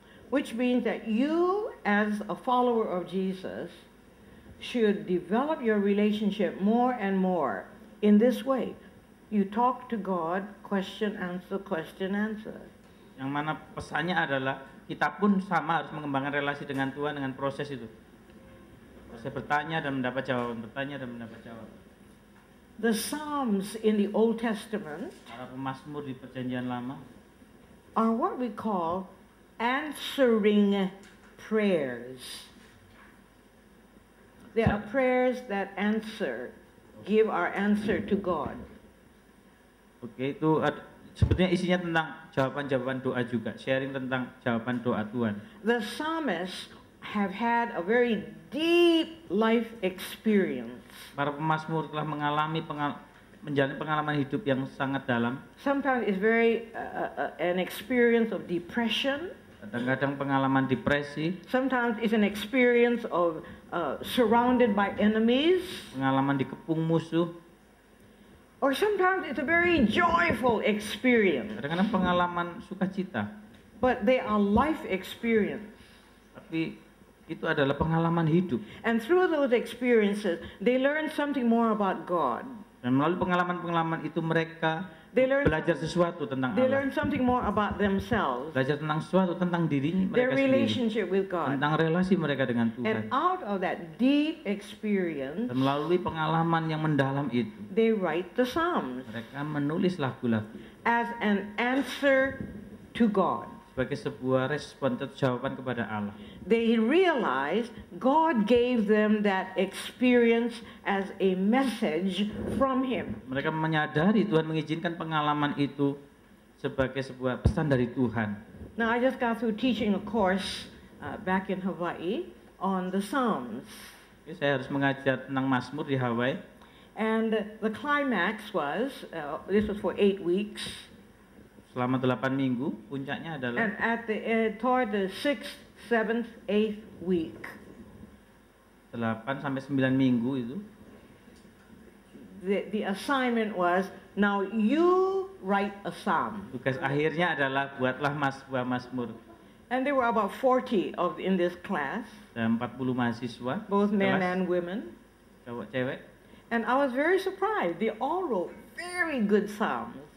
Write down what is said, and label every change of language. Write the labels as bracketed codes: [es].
[en] Which means that you, as a follower of Jesus, should develop your relationship more and more in this way. You talk to God, question, answer, question, answer. [id] Yang mana pesannya adalah kita pun sama harus mengembangkan relasi dengan Tuhan dengan proses itu. Proses bertanya dan mendapat jawaban, bertanya dan mendapat jawaban. [en] The Psalms in the Old Testament, [id] para pemazmur di perjanjian lama, [en] are what we call answering prayers. There are prayers that answer, give our answer to God. [id] Okay, itu sebenarnya isinya tentang jawaban-jawaban doa juga, sharing tentang jawaban doa Tuhan. [en] The psalmists have had a very deep life experience. [id] Para pemazmur telah mengalami menjalani pengalaman hidup yang sangat dalam. [en] Sometimes it's very an experience of depression. [id] Kadang-kadang pengalaman depresi. [en] Sometimes it's an experience of surrounded by enemies. [id] Pengalaman dikepung musuh. [en] Or sometimes it's a very joyful experience. [id] Kadang-kadang pengalaman sukacita. [en] But they are life experience. [id] Tapi itu adalah pengalaman hidup. [en] And through those experiences, they learn something more about God. [id] Dan melalui pengalaman-pengalaman itu mereka belajar sesuatu tentang Allah. [en] They learn something more about themselves. [id] Belajar tentang sesuatu tentang diri mereka sendiri. [en] Their relationship with God. [id] Tentang relasi mereka dengan Tuhan. [en] And out of that deep experience, [id] dan melalui pengalaman yang mendalam itu, [en] they write the Psalms. [id] Mereka menulis lagu-lagu. [en] As an answer to God. [id] Sebagai sebuah respon atau jawaban kepada Allah. [en] They realized God gave them that experience as a message from Him. [id] Mereka menyadari Tuhan mengizinkan pengalaman itu sebagai sebuah pesan dari Tuhan. [en] Now I just got through teaching a course back in Hawaii on the Psalms. [id] Jadi saya harus mengajar tentang Mazmur di Hawaii. [en] And the climax was this was for 8 weeks. [id] Selama 8 minggu puncaknya adalah. [en] And at the toward the 6th, 7th, 8th week. [id] 8 sampai 9 minggu itu. [en] The assignment was now you write a psalm. [id] Tugas akhirnya adalah buatlah mazmur. [en] And there were about 40 of in this class. [id] Dan 40 mahasiswa. [en] Both men and women. [id] Cowok cewek. [en] And I was very surprised. They all wrote very good psalms.